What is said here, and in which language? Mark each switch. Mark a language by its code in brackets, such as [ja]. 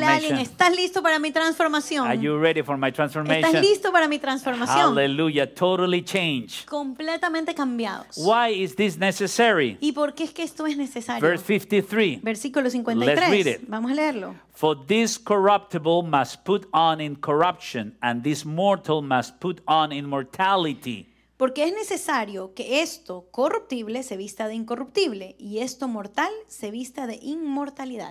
[es] Dígale a alguien, ¿estás listo para mi transformación? [en] Are you ready for my transformation? [es] ¿Estás listo para mi transformación? [en] Hallelujah, totally changed. [es] Completamente cambiados. [en] Why is this necessary? [es] ¿Y por qué es que esto es necesario? [en] Verse 53. [es] Versículo 53. [en] Let's read it. [es] Vamos a leerlo. [en] For this corruptible must put on incorruption, and this mortal must put on immortality. [es] Porque es necesario que esto corruptible se vista de incorruptible y esto mortal se vista de inmortalidad.